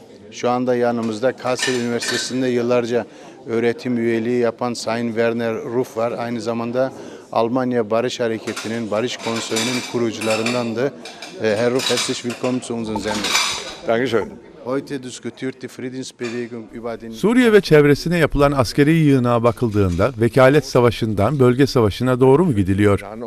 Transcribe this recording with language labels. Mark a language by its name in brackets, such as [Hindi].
[Turkish] Şu anda yanımızda Kassel Üniversitesi'nde yıllarca öğretim üyeliği yapan Sayın Werner Ruf var. Aynı zamanda Almanya Barış Hareketi'nin, Barış Konseyi'nin kurucularındandı. [German] Herr Ruf, herzlich willkommen zu unseren Sendung. Dankeschön. Heute diskutiert die Friedensbewegung über den... [Turkish] Suriye ve çevresine yapılan askeri yığınağa bakıldığında vekalet savaşından bölge savaşına doğru mu gidiliyor?